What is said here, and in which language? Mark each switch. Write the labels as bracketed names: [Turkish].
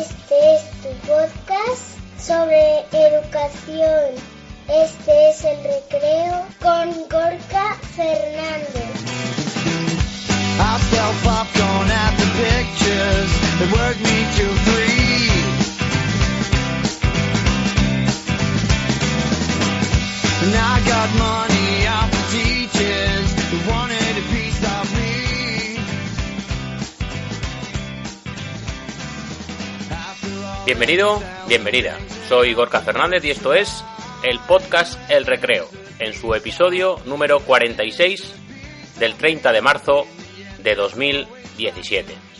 [Spanish] es tu podcast sobre educación. Este es el recreo con Gorka Fernández. [English] I sell popcorn at the pictures. They work me to free. And I got money off the teachers who wanted a piece of me. [Spanish] Bienvenido, bienvenida. Soy Gorka Fernández y esto es el podcast El Recreo, en su episodio número 46 del 30 de marzo de 2017.